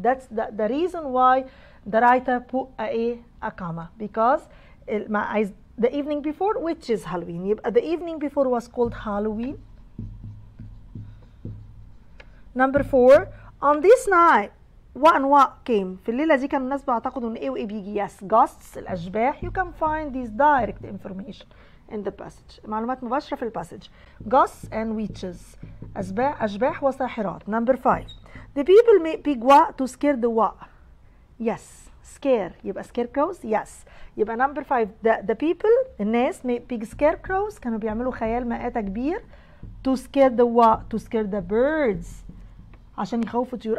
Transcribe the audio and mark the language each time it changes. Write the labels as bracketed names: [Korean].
[English] That's the reason why the writer put a comma. Because the evening before, which is Halloween. The evening before was called Halloween. Number 4, on this night, what and what came? [Arabic] في الليلة دي كان الناس بيعتقدوا ان ايه وايه بيجي. [English] Yes, ghosts, [Arabic] الأشباح. [English] You can find this direct information in the passage. [Arabic] معلومات مباشرة في الباسج. [English] Ghosts and witches. [Arabic] أشباح وساحرات. [English] Number 5. The people make big what to scare the what? Yes. Scare. [Arabic] يبقى [English] scarecrows? Yes. يبقى number 5. The people, الناس make big scarecrows. [Arabic] كانوا بيعملوا خيال مآتة كبير. [English] To scare the what? To scare the birds. [Arabic] عشان يخوفوا طيور.